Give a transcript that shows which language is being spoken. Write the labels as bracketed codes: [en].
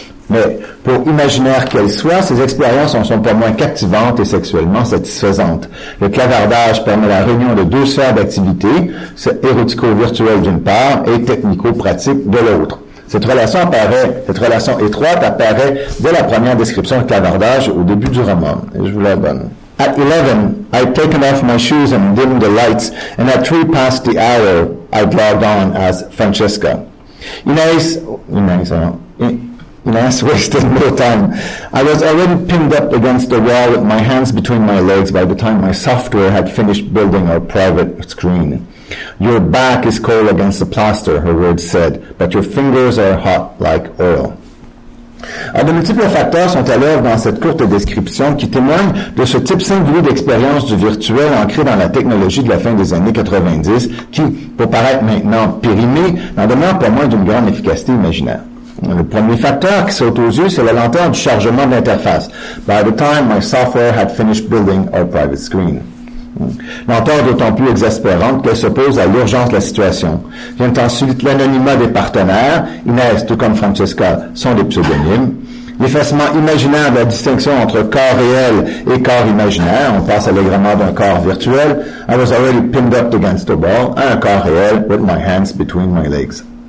[fr] Mais pour imaginaire qu'elles soient, ces expériences en sont pas moins captivantes et sexuellement satisfaisantes. Le clavardage permet la réunion de deux sphères d'activité, érotico-virtuelle d'une part et technico-pratique de l'autre. Cette relation étroite apparaît dès la première description de clavardage au début du roman. Je vous la donne. [en] At 11, I'd taken off my shoes and dimmed the lights, and at 3 past the hour, I'd logged on as Francesca. Inès wasted no time. I was already pinned up against the wall with my hands between my legs by the time my software had finished building our private screen. Your back is cold against the plaster, her words said, but your fingers are hot like oil. [fr] Alors, de multiples facteurs sont à l'œuvre dans cette courte description qui témoigne de ce type singulier d'expérience du virtuel ancré dans la technologie de la fin des années 90 qui, pour paraître maintenant périmée, n'en demeure pas moins d'une grande efficacité imaginaire. Le premier facteur qui saute aux yeux, c'est la lenteur du chargement d'interface. [en] By the time my software had finished building our private screen. [fr] Lenteur d'autant plus exaspérante qu'elle s'oppose à l'urgence de la situation. Vient ensuite l'anonymat des partenaires, Inès, tout comme Francesca, sont des pseudonymes. L'effacement imaginaire de la distinction entre corps réel et corps imaginaire, on passe allègrement d'un corps virtuel, [en] I was already pinned up against the wall, [fr] à un corps réel [en] with my hands between my legs.